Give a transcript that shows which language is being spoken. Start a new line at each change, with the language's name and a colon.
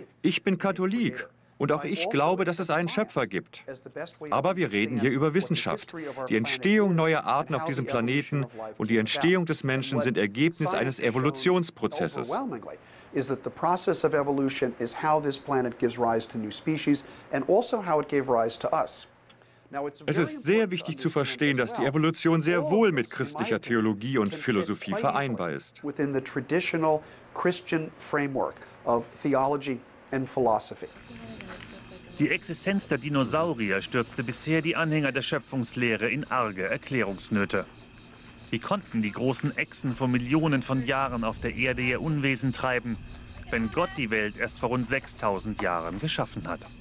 German: Ich bin Katholik und auch ich glaube, dass es einen Schöpfer gibt. Aber wir reden hier über Wissenschaft. Die Entstehung neuer Arten auf diesem Planeten und die Entstehung des Menschen sind Ergebnis eines Evolutionsprozesses.
English: Is that the process of evolution is how this planet gives rise to new species and also how it gave rise to us.
German: Es ist sehr wichtig zu verstehen, dass die Evolution sehr wohl mit christlicher Theologie und Philosophie vereinbar ist.
English: Within the traditional Christian framework of theology and philosophy.
German: Die Existenz der Dinosaurier stürzte bisher die Anhänger der Schöpfungslehre in arge Erklärungsnöte. Wie konnten die großen Echsen vor Millionen von Jahren auf der Erde ihr Unwesen treiben, wenn Gott die Welt erst vor rund 6000 Jahren geschaffen hat?